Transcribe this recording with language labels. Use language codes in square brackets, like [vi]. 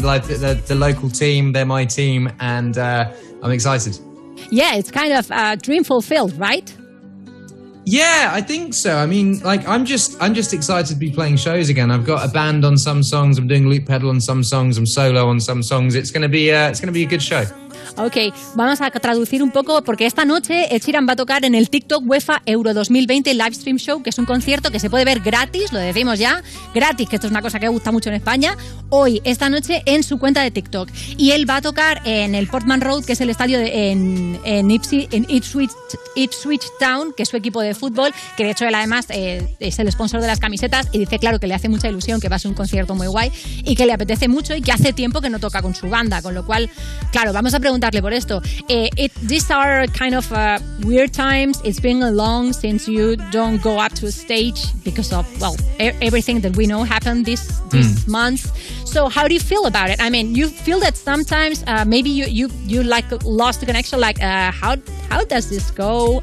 [en] Like the local team, they're my team, and I'm excited. Yeah, it's kind of a dream fulfilled, right? Yeah, I think so. I mean, like, I'm just excited to be playing shows again. I've got a band on some songs. I'm doing loop pedal on some songs. I'm solo on some songs. It's gonna be a good show. [es] Okay, vamos a traducir un poco, porque esta noche Ed Sheeran va a tocar en el TikTok UEFA Euro 2020 Livestream Show, que es un concierto que se puede ver gratis, lo decimos ya, gratis, que esto es una cosa que gusta mucho en España, hoy, esta noche, en su cuenta de TikTok. Y él va a tocar en el Portman Road, que es el estadio en Ipswich Town, que es su equipo de fútbol, que de hecho él además es el sponsor de las camisetas, y dice, claro, que le hace mucha ilusión, que va a ser un concierto muy guay, y que le apetece mucho, y que hace tiempo que no toca con su banda, con lo cual, claro, vamos a preguntarle por esto. [en] These are kind of weird times. It's been a long since you don't go up to a stage because of, well, everything that we know happened this month. So how do you feel about it? I mean, you feel that sometimes maybe you like lost the connection, like how does this go?